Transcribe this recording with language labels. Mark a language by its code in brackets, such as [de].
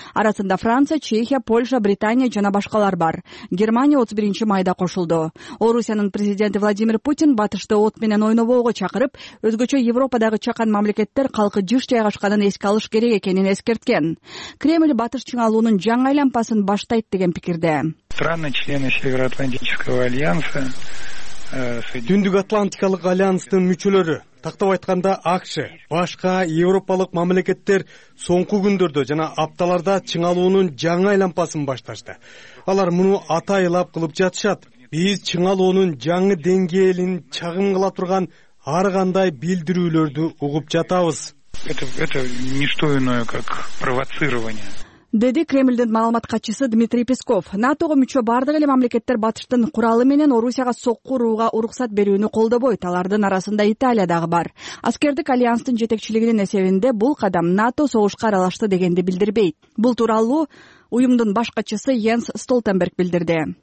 [ky] Арасында Франция, Чехия, Польша, Британия жана башкалар бар. Германия 31 майда кошулду. Орусиянын президенти Владимир Путин батышты от менен ойнобоого чакырып, өзгөчө Европадагы чакан мамлекеттер калкы жыш жайгашканын эске алыш керек экенин эскерткен. Кремль батыш чыңалуунун жаңы айлампасын баштайт деген пикирде. [ru] Страны члены Североатлантического альянса, [ky] Түндүк Атлантикалык альянстын мүчөлөрү, тактап айтканда АКШ, башка европалык мамлекеттер соңку күндөрдө жана апталарда чыңалуунун жаңы айлампасын башташты. Алар муну атайылап кылып жатышат. Биз чыңалуунун жаңы деңгээлин чагым кыла турган ар кандай билдирүүлөрдү угуп жатабыз. [ru] Это не что иное, как провоцирование. [ky] деди Кремлдин маалымат катчысы Дмитрий Песков. НАТОго мүчө бардык эле мамлекеттер батыштын куралы менен Орусияга соккурууга уруксат берүүнү колдобойт. Алардын арасында Италия дагы бар. Аскердик альянстын жетекчилигинин эсебинде бул кадам НАТО согушка аралашты дегенди билдирбейт. Бул тууралуу уюмдун баш катчысы Йенс Столтенберг билдирди.